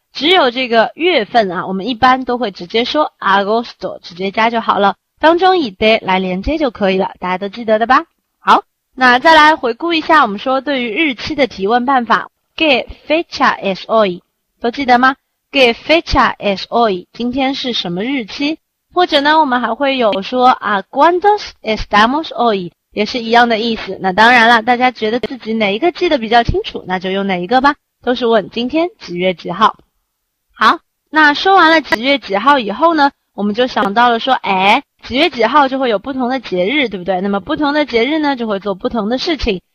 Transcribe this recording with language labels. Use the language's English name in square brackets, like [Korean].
[Chinese] 只有这个月份啊，我们一般都会直接说 agosto, 直接加就好了，当中以 de 来连接就可以了，大家都记得的吧。好，那再来回顾一下我们说对于日期的提问办法， [Spanish] que fecha es hoy, [Chinese] 都记得吗？ [Spanish] que fecha es hoy, [Chinese] 今天是什么日期？或者呢我们还会有说啊 [Spanish] cuantos estamos hoy, [Chinese] 也是一样的意思。那当然了，大家觉得自己哪一个记得比较清楚，那就用哪一个吧，都是问今天几月几号。好，那说完了几月几号以后呢，我们就想到了说，几月几号就会有不同的节日，对不对？那么不同的节日呢，就会做不同的事情。